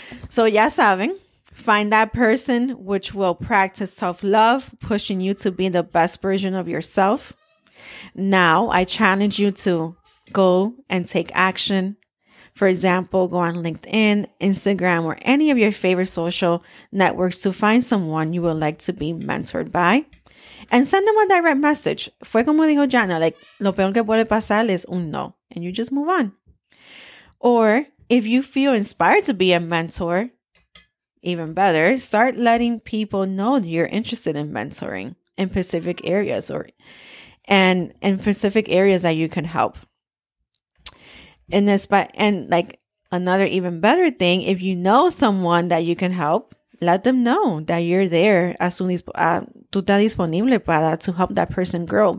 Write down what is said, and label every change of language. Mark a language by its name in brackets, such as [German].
[English] So [Spanish] ya saben, [English] find that person which will practice self-love, pushing you to be the best version of yourself. Now, I challenge you to go and take action. For example, go on LinkedIn, Instagram, or any of your favorite social networks to find someone you would like to be mentored by. And send them a direct message. [Spanish] Fue como dijo Jana, [English] like, [Spanish] lo peor que puede pasar es un no. [English] And you just move on. Or if you feel inspired to be a mentor, even better, start letting people know you're interested in mentoring in specific areas and in specific areas that you can help. In this, but, and like another even better thing, if you know someone that you can help, let them know that you're there as soon as [Spanish] tú estás disponible para [English] to help that person grow.